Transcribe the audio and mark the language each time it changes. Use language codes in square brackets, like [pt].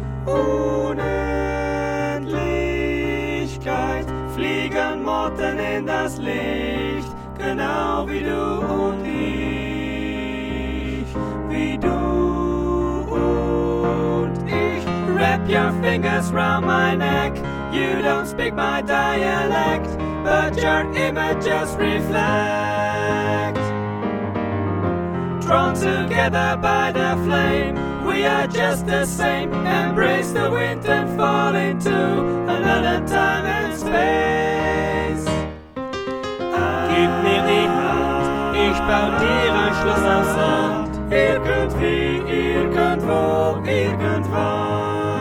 [de] Unendlichkeit, fliegen Motten in das Licht, genau wie du und ich, wie du und ich. [en] Wrap your fingers round my neck, you don't speak my dialect, but your images reflect. Drawn together by the flame, we are just the same. Embrace the wind and fall into another time and space. [de] Gib mir die Hand, ich bau dir ein Schloss aus Sand. Irgendwie, irgendwo, irgendwann.